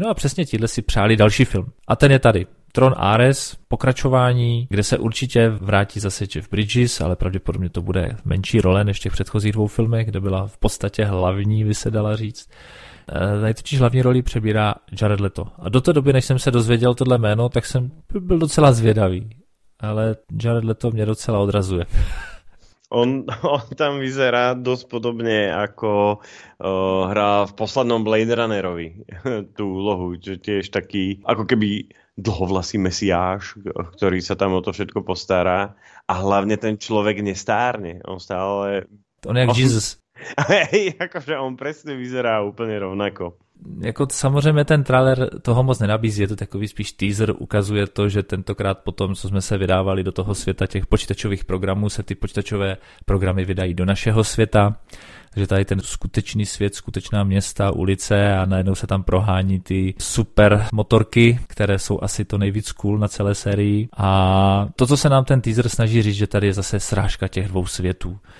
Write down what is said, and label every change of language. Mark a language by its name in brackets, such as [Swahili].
[Czech] No a přesně tihle si přáli další film. A ten je tady. Tron Ares, pokračování, kde se určitě vrátí zase Jeff Bridges, ale pravděpodobně to bude menší role než těch předchozích dvou filmech, kde byla v podstatě hlavní, by se dala říct. Tady totiž hlavní roli přebírá Jared Leto. A do té doby, než jsem se dozvěděl tohle jméno, tak jsem byl docela zvědavý. Ale Jared Leto mě docela odrazuje. [Slovak] On tam vyzerá dost podobně, jako hrá v poslednom Blade Runnerovi tu úlohu, že tiež taký, jako keby dlhovlasý mesiáš, ktorý sa tam o to všetko postará. A hlavne ten človek nestárne. On stále... [Czech] On je jak Jesus. [Slovak] Akože on presne vyzerá úplne rovnako. [Czech] Jako samozřejmě ten trailer toho moc nenabízí, je to takový spíš teaser, ukazuje to, že tentokrát po tom, co jsme se vydávali do toho světa těch počítačových programů, se ty počítačové programy vydají do našeho světa, že tady ten skutečný svět, skutečná města, ulice a najednou se tam prohání ty super motorky, které jsou asi to nejvíc cool na celé sérii a to, co se nám ten teaser snaží říct, že tady je zase srážka těch dvou světů.